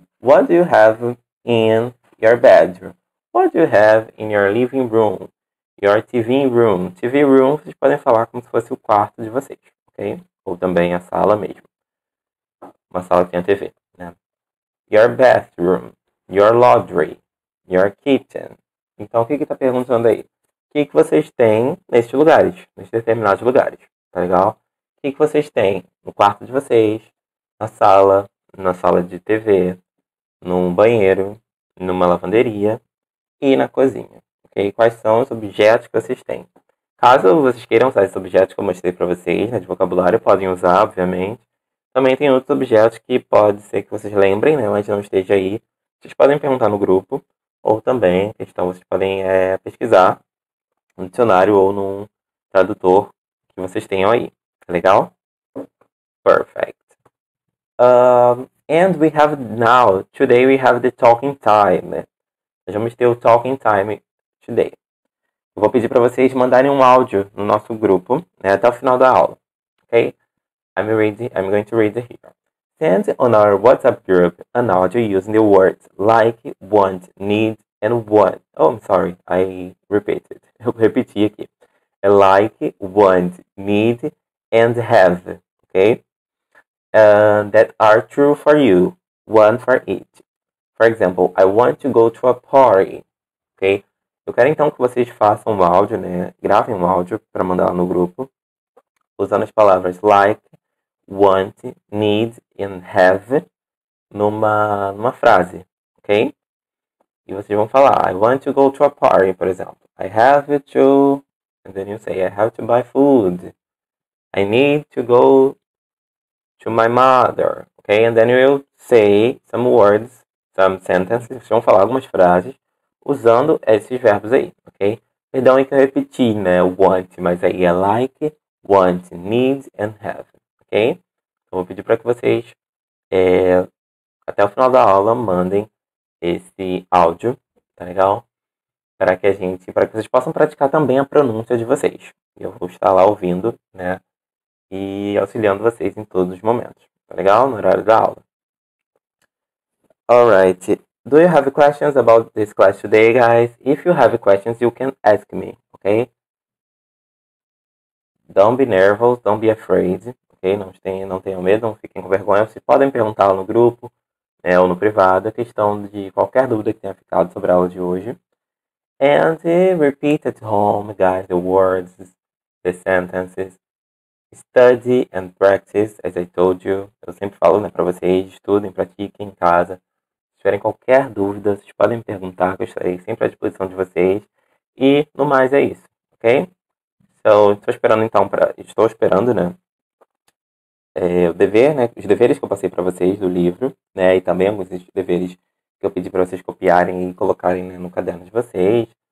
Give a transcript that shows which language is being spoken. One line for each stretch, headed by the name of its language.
English: What do you have in your bedroom? What do you have in your living room? Your TV room.
Portuguese: TV room, vocês podem falar como se fosse o quarto de vocês, ok? Ou também a sala mesmo. Uma sala que tem a TV, né?
English: Your bathroom. Your laundry. Your kitchen.
Portuguese: Então, o que está perguntando aí? O que vocês têm nesses lugares? Nesses determinados lugares, tá legal? O que vocês têm no quarto de vocês? Na sala de TV, num banheiro, numa lavanderia e na cozinha, ok? Quais são os objetos que vocês têm? Caso vocês queiram usar esses objetos que eu mostrei para vocês, né, de vocabulário, podem usar, obviamente. Também tem outros objetos que pode ser que vocês lembrem, né, mas não esteja aí. Vocês podem perguntar no grupo ou também, questão, vocês podem pesquisar no dicionário ou num tradutor que vocês tenham aí, tá legal?
English: Perfect. And we have now, today we have the talking time.
Portuguese: Nós vamos ter o talking time today. Eu vou pedir para vocês mandarem um áudio no nosso grupo, né, até o final da aula, ok?
English: I'm going to read it here. Send on our WhatsApp group an audio using the words like, want, need, and want. Oh, I'm sorry, I repeated.
Portuguese: Eu repeti aqui.
English: Like, want, need, and have, ok? That are true for you, one for each. For example, I want to go to a party, ok?
Portuguese: Eu quero então que vocês façam um áudio, né? Gravem um áudio para mandar lá no grupo, usando as palavras like, want, need, and have numa frase, ok? E vocês vão falar,
English: I want to go to a party,
Portuguese: por exemplo.
English: I have to, and then you say, I have to buy food. I need to go to my mother, ok? And then you will say some words, some sentences,
Portuguese: vocês vão falar algumas frases usando esses verbos aí, ok? Perdão aí que eu repeti, né? Want, mas aí é like, want, need, and have, ok? Então, vou pedir para que vocês, até o final da aula, mandem esse áudio, tá legal? Para que a gente, para que vocês possam praticar também a pronúncia de vocês. Eu vou estar lá ouvindo, né? E auxiliando vocês em todos os momentos. Tá legal? No horário da aula. Alright.
English: Do you have questions about this class today, guys? If you have questions, you can ask me, ok? Don't be nervous, don't be afraid, ok?
Portuguese: Não tenham medo, não fiquem com vergonha. Vocês podem perguntar no grupo, né, ou no privado, a questão de qualquer dúvida que tenha ficado sobre a aula de hoje.
English: And repeat at home, guys, the words, the sentences. Study and practice, as I told you.
Portuguese: Eu sempre falo, né, para vocês, estudem, pratiquem em casa. Se tiverem qualquer dúvida, vocês podem perguntar, que eu estarei sempre à disposição de vocês. E, no mais, é isso, ok? Então, estou esperando, né, o dever, né, os deveres que eu passei para vocês do livro, né, e também alguns deveres que eu pedi para vocês copiarem e colocarem, né, no caderno de vocês.